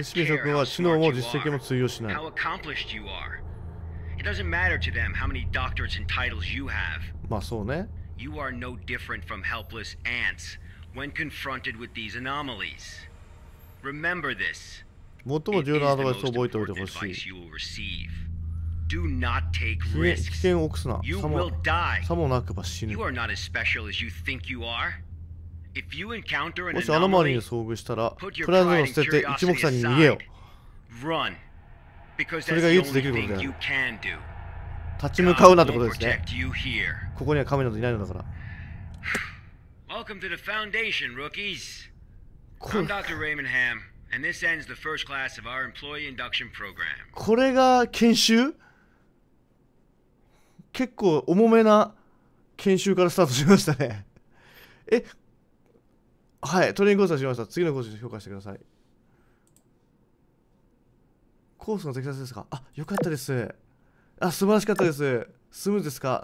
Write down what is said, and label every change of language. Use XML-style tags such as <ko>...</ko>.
<ja>SCP 職員は知能も実績も通用しない。</ja> <en>How accomplished you are. It doesn't matter to them how many doctorates and titles you have.</en> <ja>まあそうね。</ja> <en>You are no different from helpless ants when confronted with these anomalies. Remember this.</en> <ja>最も重要なアドバイスを覚えておいてほしい。</ja> <en>It is the most important advice you will receive. Do not take risks. You will die.</en> <ja>さもなくば死ぬ。</ja> <en>You are not as special as you think you are. If you encounter</en> <ja>もしアノマリに遭遇したら、プライドを捨てて一目散に逃げよ。</ja> <en>Run.</en> <ja>それが唯一できることである。立ち向かうなってことですね。ここには神などいないのだから。</ja> <en>Welcome to the Foundation, rookies. I'm Dr. Raymond Ham, And this ends the first class of our employee induction program.</en> <ja>これが研修？結構重めな研修からスタートしましたね。え、はい、トレーニングコースはしました。次のコース評価してください。コースの適切ですか？あ、よかったです。あ、素晴らしかったです。スムーズですか？</ja>